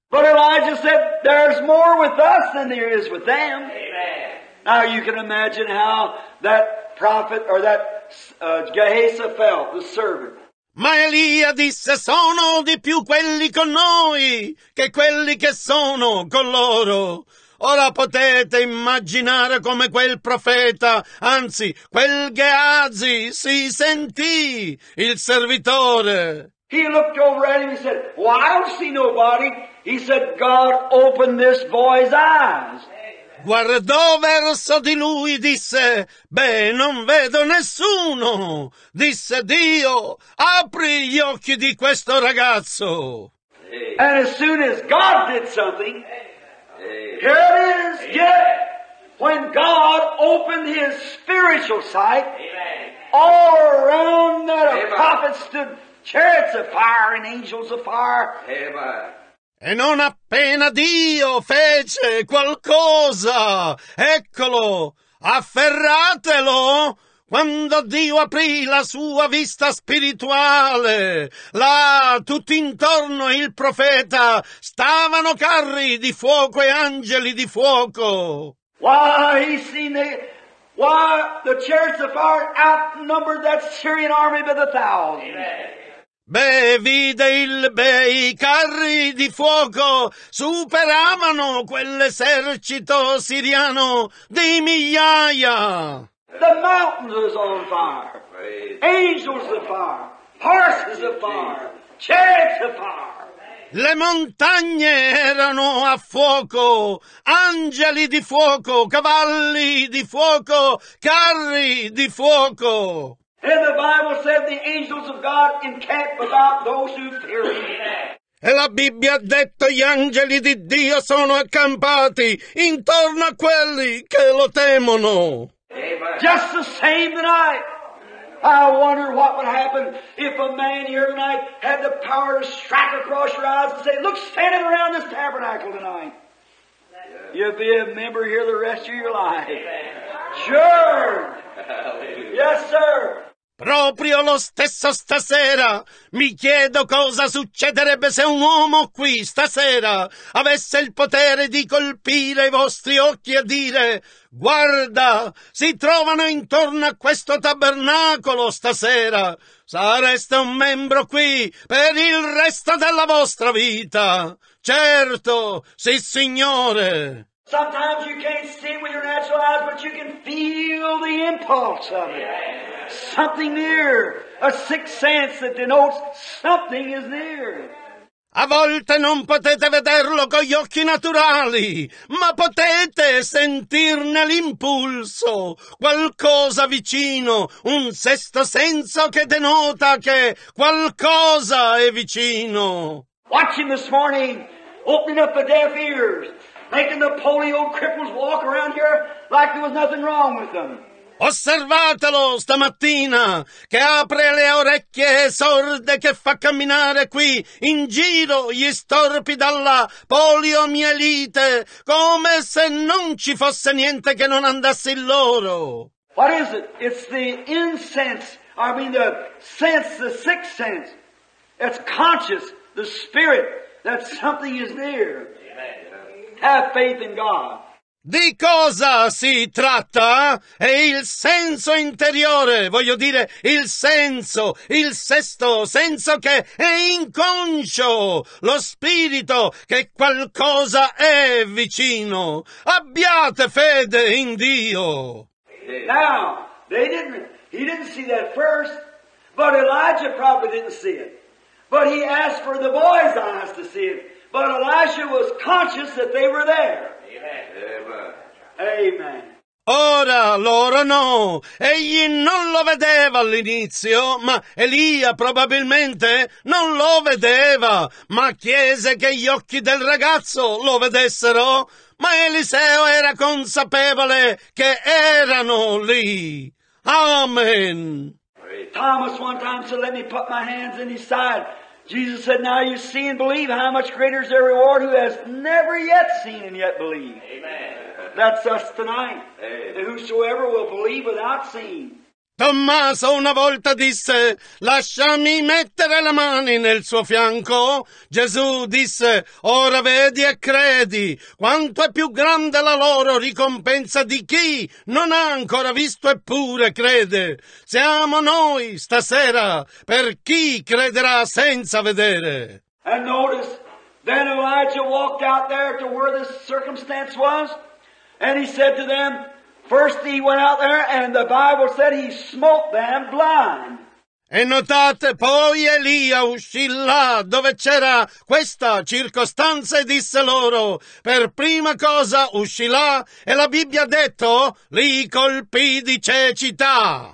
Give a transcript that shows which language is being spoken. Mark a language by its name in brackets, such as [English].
[English] But Elijah said, there's more with us than there is with them. Amen. Now you can imagine how that prophet or that Gehazi felt, the servant. [Italian] Ma Elia disse, sono di più quelli con noi che quelli che sono con loro. Ora potete immaginare come quel profeta, anzi, quel Gehazi, si sentì il servitore. [English] He looked over at him and said, well, I don't see nobody. He said, God, open this boy's eyes. [Italian] Guardò verso di lui, disse, beh, non vedo nessuno. Disse, Dio, apri gli occhi di questo ragazzo. [English] And as soon as God did something, here it is, yet, when God opened his spiritual sight, all around that prophet stood chariots of fire and angels of fire. Amen. [Italian] E non appena Dio fece qualcosa, eccolo, afferratelo, quando Dio aprì la sua vista spirituale, là tutti intorno il profeta stavano carri di fuoco e angeli di fuoco. [English] Why he seen it? Why the chariots of fire outnumbered that Syrian army by the thousands? Amen. [Italian] Beh, vide il beh, i carri di fuoco superavano quell'esercito siriano di migliaia. [English] The mountains was on fire, angels of fire, horses of fire, chariots of fire. [Italian] Le montagne erano a fuoco, angeli di fuoco, cavalli di fuoco, carri di fuoco. [English] And the Bible said the angels of God encamp about those who fear him. [Italian] E la Bibbia ha detto gli angeli di Dio sono accampati intorno a quelli che lo temono. [English] Amen. Just the same tonight. I wonder what would happen if a man here tonight had the power to strike across your eyes and say, look, standing around this tabernacle tonight. Yes. You'll be a member here the rest of your life. Amen. Sure. Yes, sir. [Italian] Proprio lo stesso stasera, mi chiedo cosa succederebbe se un uomo qui stasera avesse il potere di colpire i vostri occhi e dire, guarda, si trovano intorno a questo tabernacolo stasera, sareste un membro qui per il resto della vostra vita. Certo, sì signore. [English] Sometimes you can't see with your natural eyes, but you can feel the impulse of it. Something near, a sixth sense that denotes something is near. [Italian] A volte non potete vederlo con gli occhi naturali, ma potete sentirne l'impulso, qualcosa vicino, un sesto senso che denota che qualcosa è vicino. [English] Watching this morning, opening up the deaf ears, making the polio cripples walk around here like there was nothing wrong with them. [Italian] Osservatelo stamattina, che apre le orecchie sorde, che fa camminare qui in giro gli storpi dalla poliomielite, come se non ci fosse niente che non andasse in loro. [English] What is it? It's the incense, I mean the sense, the sixth sense. It's conscious, the spirit, that something is near. Have faith in God. [Italian] Di cosa si tratta? È il senso interiore, voglio dire il senso, il sesto senso che è inconscio, lo spirito che qualcosa è vicino. Abbiate fede in Dio. [English] Now, he didn't see that first, but Elijah probably didn't see it. But he asked for the boy's eyes to see it. But Elisha was conscious that they were there. Amen. Amen. [Italian] Ora loro no, egli non lo vedeva all'inizio, ma Elia probabilmente non lo vedeva, ma chiese che gli occhi del ragazzo lo vedessero, ma Eliseo era consapevole che erano lì. [English] Amen. Thomas one time said, let me put my hands in his side. Jesus said, now you see and believe, how much greater is their reward who has never yet seen and yet believed. Amen. That's us tonight. Amen. And whosoever will believe without seeing. [Italian] Tommaso una volta disse, lasciami mettere le mani nel suo fianco. Gesù disse, ora vedi e credi, quanto è più grande la loro ricompensa di chi non ha ancora visto eppure crede. Siamo noi stasera per chi crederà senza vedere. [English] And notice, then Elijah walked out there to where the circumstance was, and he said to them, first he went out there and the Bible said he smote them blind. [Italian] E notate, poi Elia uscì là dove c'era questa circostanza e disse loro, per prima cosa uscì là e la Bibbia ha detto, li colpì di cecità.